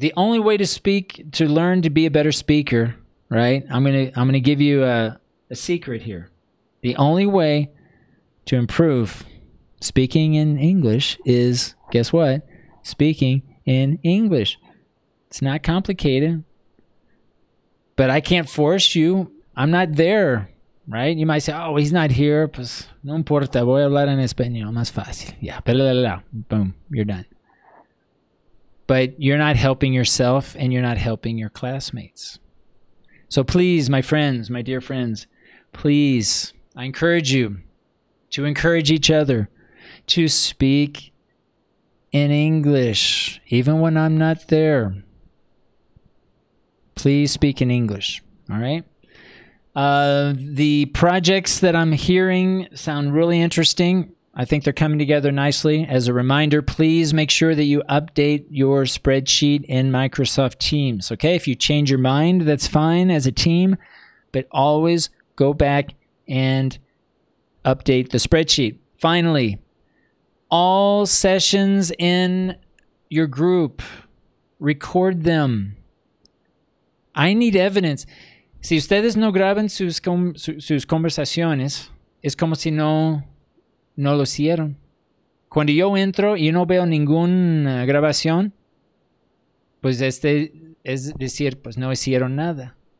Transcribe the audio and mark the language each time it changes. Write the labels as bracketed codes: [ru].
[en] The only way to speak, to learn to be a better speaker, right, I'm going to give you a secret here. The only way to improve speaking in English is, guess what, speaking in English. It's not complicated, but I can't force you. I'm not there, right? You might say, oh, he's not here. [es] Pues, no importa, voy a hablar en español, más fácil. [en] Yeah, blah, blah, blah. Boom, you're done. But you're not helping yourself and you're not helping your classmates. So please, my friends, my dear friends, please, I encourage you to encourage each other to speak in English, even when I'm not there. Please speak in English, all right? The projects that I'm hearing sound really interesting. I think they're coming together nicely. As a reminder, please make sure that you update your spreadsheet in Microsoft Teams, okay? If you change your mind, that's fine as a team, but always go back and update the spreadsheet. Finally, all sessions in your group, record them. I need evidence. [es] Si ustedes no graban sus conversaciones, es como si no lo hicieron. Cuando yo entro y no veo ninguna grabación, pues es decir, pues no hicieron nada.